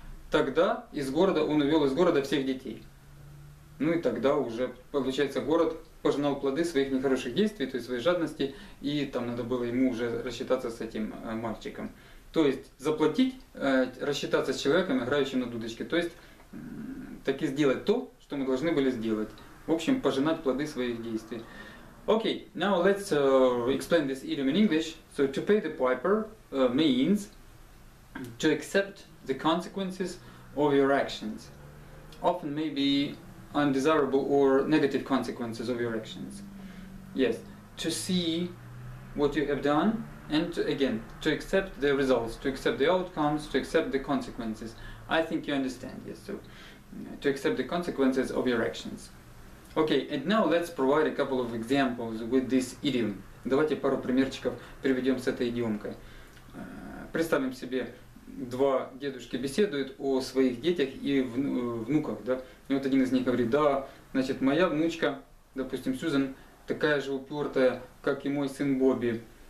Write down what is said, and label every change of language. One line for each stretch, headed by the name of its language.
Russian: Тогда из города он увел из города всех детей. Ну и тогда уже, получается, город пожинал плоды своих нехороших действий, то есть своей жадности, и там надо было ему уже рассчитаться с этим мальчиком. То есть заплатить, рассчитаться с человеком, играющим на дудочке, то есть так и сделать то, что мы должны были сделать. В общем, пожинать плоды своих действий.
English: Okay, now let's explain this idiom in English. So to pay the piper means to accept the consequences of your actions. Often maybe undesirable or negative consequences of your actions. Yes, to see what you have done and to, again, to accept the results, to accept the outcomes, to accept the consequences. I think you understand, yes, so to accept the consequences of your actions. Okay, and now let's provide a couple of examples with this idiom.
Russian: Давайте пару примерчиков приведем с этой идиомкой. Представим себе, два дедушки беседуют о своих детях и внуках, да? И вот один из них говорит, да, значит, моя внучка, допустим, Сьюзен, такая же упертая, как и мой сын Бобби.